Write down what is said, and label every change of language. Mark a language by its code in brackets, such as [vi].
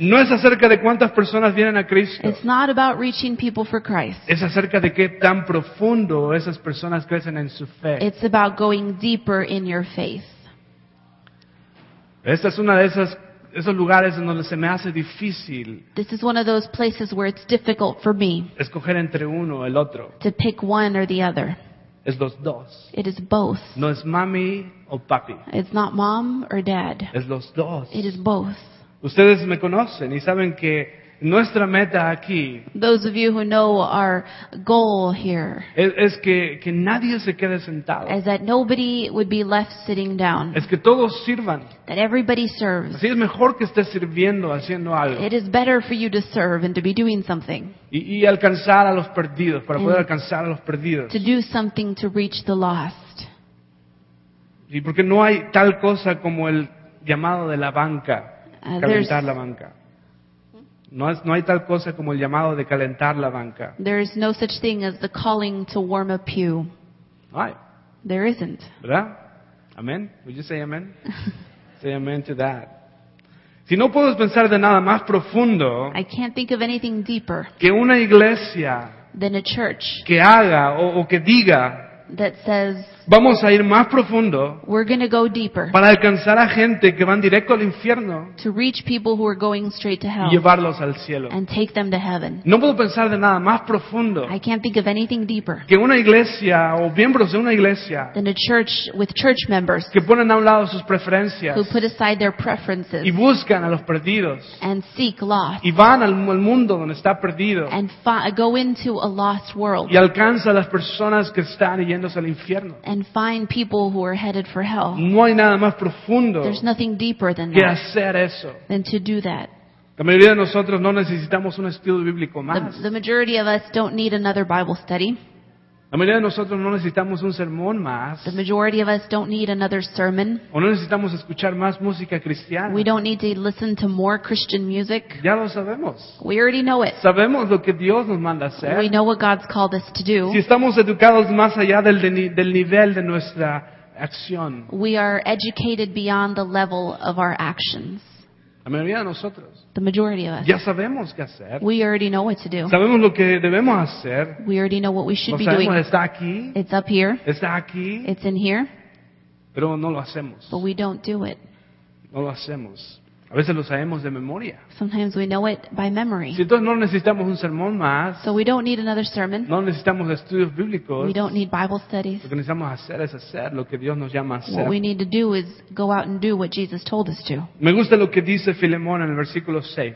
[es] No es acerca de cuántas personas vienen a Cristo. [en] It's not about reaching people for Christ. [es] Es acerca de qué tan profundo esas personas crecen en su fe. [en] It's about going deeper in your faith. [es] Esta es una de esos lugares en donde se me hace difícil. [en] This is one of those places where it's difficult for me. [es] Escoger entre uno o el otro. [en] To pick one or the other. [es] Es los dos. [en] It is both. [es] No es mami o papi. [en] It's not mom or dad. [es] Es los dos. [en] It is both. [es] Ustedes me conocen y saben que nuestra meta aquí, [en] those of you who know our goal here, [es] es que nadie se quede sentado. [en] Is that nobody would be left sitting down. [es] Es que todos sirvan. [en] That everybody serves. [es] Así es mejor que estés sirviendo, haciendo algo. [en] It is better for you to serve and to be doing something. [es] Y alcanzar a los perdidos, para poder alcanzar a los perdidos. [en] To do something to reach the lost. [es] Y porque no hay tal cosa como el llamado de la banca, calentar la banca. No hay tal cosa como el llamado de calentar la banca. [en] There is no such thing as the calling to warm a pew. [es] No hay. [en] There isn't. [es] ¿Verdad? [en] Amen. Would you say amen? Say amen to that. [es] Si no puedes pensar de nada más profundo, [en] I can't think of anything deeper [es] que una iglesia [en] than a church [es] que haga o que diga [en] that says, [es] vamos a ir más profundo [en] we're gonna go deeper [es] para alcanzar a gente que van directo al infierno [en] to reach people who are going straight to hell [es] y llevarlos al cielo. [en] And take them to heaven. [es] No puedo pensar de nada más profundo [en] I can't think of anything deeper [es] que una iglesia o miembros de una iglesia [en] than a church with church members [es] que ponen a un lado sus preferencias [en] who put aside their preferences [es] y buscan a los perdidos [en] and seek lost [es] y van al mundo donde está perdido [en] and go into a lost world [es] y alcanza a las personas que están yéndose al infierno. [en] And find people who are headed for hell. [es] No hay nada más profundo. [en] There's nothing deeper than [es] que [en] that. [es] Que hacer eso. [en] Than to do that. [es] La mayoría de nosotros no necesitamos un estudio bíblico más. [en] The majority of us don't need another Bible study. [es] La mayoría de nosotros no necesitamos un sermón más. [en] The majority of us don't need another sermon. [es] O no necesitamos escuchar más música cristiana. [en] We don't need to listen to more Christian music. [es] Ya lo sabemos. [en] We already know it. [es] Sabemos lo que Dios nos manda hacer. [en] We know what God's called us to do. [es] Si estamos educados más allá del nivel de nuestra acción. [en] We are educated beyond the level of our actions. [es] La mayoría de nosotros. [en] The majority of us. [es] Ya sabemos qué hacer. [en] We already know what to do. [es] Sabemos lo que debemos hacer. [en] We already know what we should be [es] sabemos, [en] doing. [es] Está aquí. [en] It's up here. [es] Está aquí. [en] It's in here. [es] Pero no lo hacemos. [en] But we don't do it. [es] No lo hacemos. A veces lo sabemos de memoria. [en] Sometimes we know it by memory. [es] Si entonces no necesitamos un sermón más. [en] So we don't need another sermon. [es] No necesitamos estudios bíblicos. [en] We don't need Bible studies. [es] Lo que necesitamos hacer es hacer lo que Dios nos llama a hacer. [en] What we need to do is go out and do what Jesus told us to. [es] Me gusta lo que dice Filemón en el versículo 6.